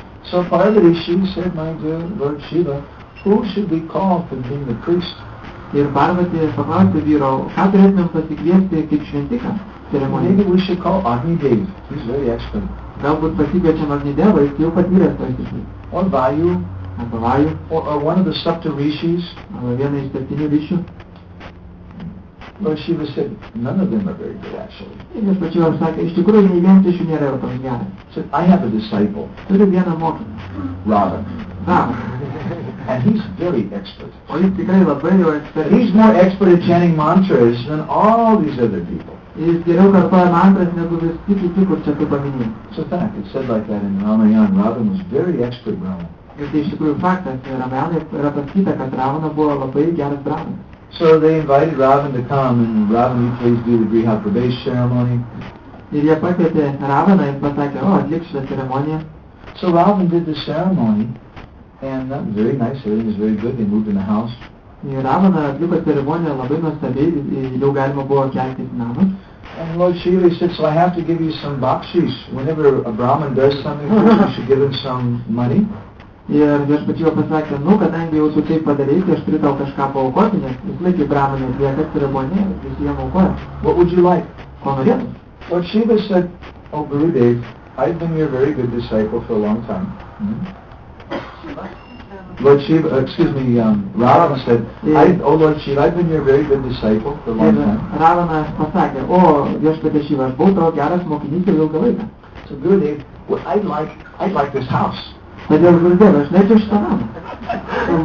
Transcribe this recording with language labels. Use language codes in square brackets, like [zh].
[en] So Parvati, she said, my dear Lord Shiva, who should we call for being the priest? [lt] Ir Parvati paklausė vyro, ką turėtumėm pasikviesti kaip šventiką ceremoniją? [en] Maybe we should call Agnidev. He's very expert. [lt] Galbūt pasikviečiam Agnidevą, jis jau patyręs toj tikrai. [en] Or Vayu. [lt] Arba Vayu. [en] Or one of the Sapta Rishis. [lt] Arba viena iš septynių rišių. [en] Lord Shiva said, none of them are very good actually. [lt] Ir jis pačiu jau sakė, iš tikrųjų nei vienas iš jų nėra jau toks geras. [en] Said, I have a disciple. [lt] Turiu vieną mokinį. [en] Ravana. And he's very expert. [lt] O jis tikrai labai jau ekspert. [en] He's more expert at chanting mantras than all these other people. [lt] Jis geriau kartuoja mantras negu visi kiti, kur čia tu paminėjai. [en] So fact, it's said like that in Ramayana. Ravana was very expert Ravana. [lt] Ir tai iš tikrųjų faktas, Ramayana yra pasakyta, kad Ravana buvo labai geras Ravana. [en] So they invited Ravana to come, and Ravana, you please do the Griha Pradesh ceremony. [lt] Ir jie pakvietė Ravana ir pasakė, o, atlik šitą ceremoniją. [en] So Ravana did the ceremony. And that was very nice, everything was very good, they moved in the house. [lt] Ir Ravana atliko ceremoniją labai nuostabiai, jau galima buvo keltis namus. [en] And Lord Shiva said, so I have to give you some bakshis. Whenever a Brahman does something, you should give him some money. [lt] Ir aš pati jau pasakė, nu, kadangi jau tu tai padarei, tai aš turiu tau kažką paaukoti, nes jis laikai Brahmanai atlieka ceremoniją, jis jiem aukoja. [en] What would you like? [lt] Ko norėtum? [en] Lord Shiva said, oh Gurudev, I've been your very good disciple for a long time. Lord Shiva, excuse me, Ravana said, oh Lord Shiva, I've been your very good disciple for a long time. [lt] Ravana pasakė, o viešpatie Shiva, aš buvau tavo geras mokinys jau ilgą laiką. [en] So Gurudev, what I'd like this house. [lt] Todėl Gurudev, aš norėčiau šitą namą.